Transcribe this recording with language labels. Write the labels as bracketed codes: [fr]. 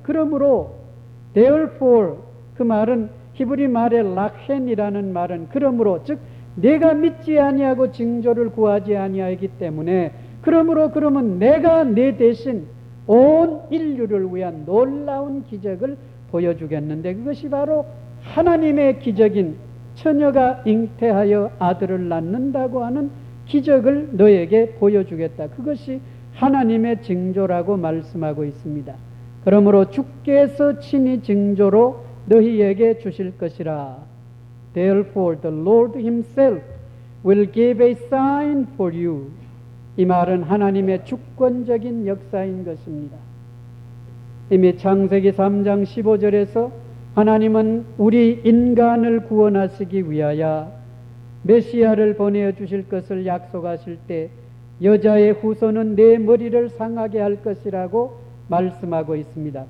[ko] 그러므로 therefore 그 말은 히브리 말의 라헨이라는 말은 그러므로 즉 내가 믿지 아니하고 징조를 구하지 아니하기 때문에 그러므로 그러면 내가 내 대신 온 인류를 위한 놀라운 기적을 보여주겠는데 그것이 바로 하나님의 기적인 처녀가 잉태하여 아들을 낳는다고 하는 기적을 너에게 보여주겠다. 그것이 하나님의 징조라고 말씀하고 있습니다. 그러므로 주께서 친히 징조로 너희에게 주실 것이라. [en] Therefore the Lord himself will give a sign for you. [ko] 이 말은 하나님의 주권적인 역사인 것입니다. 이미 창세기 3장 15절에서 하나님은 우리 인간을 구원하시기 위하여 메시아를 보내어 주실 것을 약속하실 때 여자의 후손은 내 머리를 상하게 할 것이라고 말씀하고 있습니다.